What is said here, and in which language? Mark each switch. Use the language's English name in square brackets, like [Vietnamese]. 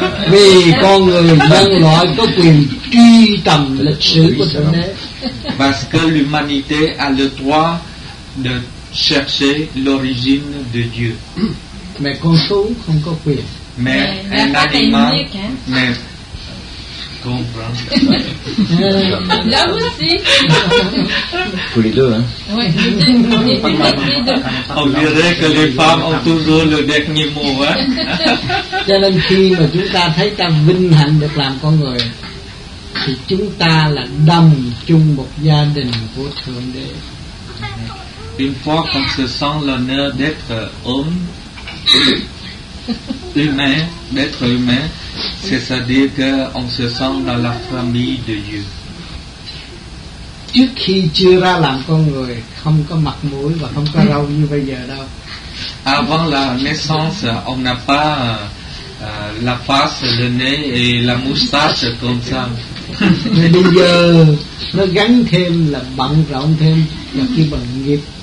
[Vietnamese] vì con người nhân loại có quyền truy tầm lịch sử của thượng đế. [French] Parce que l'humanité a le droit de chercher l'origine de Dieu. [Vietnamese] Mais con thú không có quyền. [French] Mais un animal. Mais comprends. Là aussi. Tous les deux, hein. On dirait que les femmes ont toujours le dernier mot, hein. [Vietnamese] Cho nên khi mà chúng ta thấy ta vinh hạnh được làm con người, thì chúng ta là đồng chung một gia đình của thượng đế. [French] Une fois qu'on se sent l'honneur d'être homme, humain, d'être humain, c'est-à-dire qu'on se sent dans la famille de Dieu. [Vietnamese] Trước khi chưa ra làm con người không có mặt mũi và không có râu như bây giờ đâu. [French] Avant la naissance, on n'a pas la face, le nez et la moustache comme ça. [Vietnamese] Mais bây giờ nó gắn thêm là bận rộn thêm là cái bận nghiệp.